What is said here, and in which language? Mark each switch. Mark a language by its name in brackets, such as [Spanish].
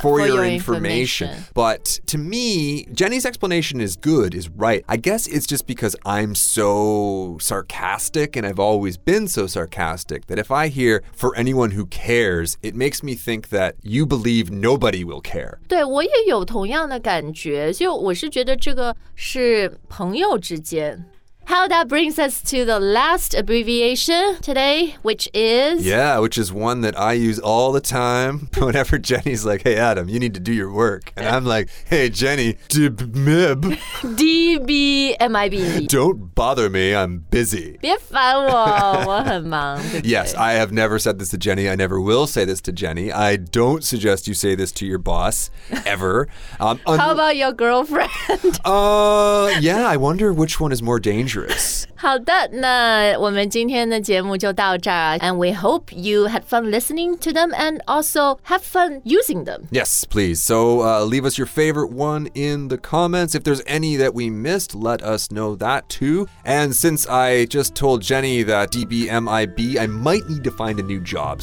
[English] for your information. But to me, Jenny's explanation is good, is right. I guess it's just because I'm so sarcastic and I've always been so sarcastic that if I hear for anyone who cares, it makes me think that you believe nobody will care. [Chinese] 对，我也有同样的感觉，就我是觉得这个是朋友之间。 [English] How that brings us to the last abbreviation today, which is... Yeah, which is one that I use all the time whenever Jenny's like, hey, Adam, you need to do your work. And I'm like, hey, Jenny, dbmib. D-B-M-I-B. Don't bother me, I'm busy. [Chinese] 别烦我,我很忙。 [English] Yes, I have never said this to Jenny. I never will say this to Jenny. I don't suggest you say this to your boss, ever. How about your girlfriend? yeah, I wonder which one is more dangerous. [Chinese] 好的，那我们今天的节目就到这儿。 [English] And we hope you had fun listening to them and also have fun using them. Yes, please. So leave us your favorite one in the comments. If there's any that we missed, let us know that too. And since I just told Jenny that DBMIB, I might need to find a new job.